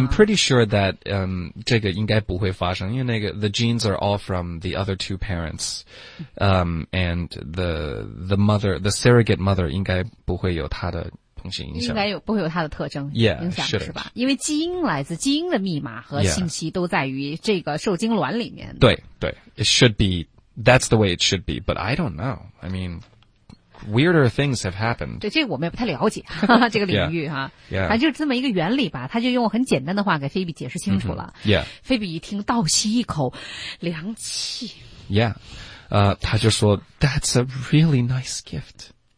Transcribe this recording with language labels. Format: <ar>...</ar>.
<en>？I'm pretty sure that</en> <zh>这个应该不会发生，因为那个</zh> <en>the genes are all from the other two parents， and the mother the surrogate mother</en> <zh>应该不会有他的东西影响，应该有不会有他的特征</zh> <en>yeah,</en> <zh>影响是吧？因为基因的密码和信息都在于这个受精卵里面。对对</zh> <en>，It should be that's the way it should be， but I don't know. I mean. Weirder things have happened.</en> <zh>对，这个我们也不太了解哈哈这个领域哈。</zh> <en>Yeah, yeah.</en> <zh>反正就是这么一个原理吧，他就用很简单的话给菲比解释清楚了。</zh> <en>Mm-hmm. Yeah.</en> <zh>菲比一听倒吸一口凉气。</zh> <en>Yeah.</en> <zh>他就说</zh> <en>That's a really nice gift.</en>